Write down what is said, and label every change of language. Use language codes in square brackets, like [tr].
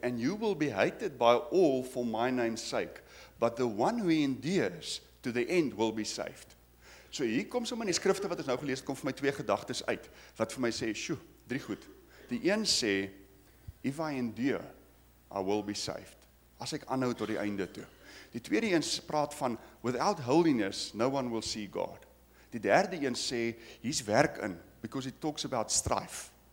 [en] And you will be hated by all for my name's sake, but the one who endures to the end will be saved. [af] So hier kom sommer in die skrifte wat ons nou gelees het, kom vir my twee gedagtes uit, wat vir my sê, sjoe, drie goed. Die een sê, [en] if I endure, I will be saved. [af] As ek aanhou tot die einde toe. Die tweede een praat van, [en] without holiness, no one will see God. [af] Die derde een sê, hier's werk in, [en] because it talks about strife.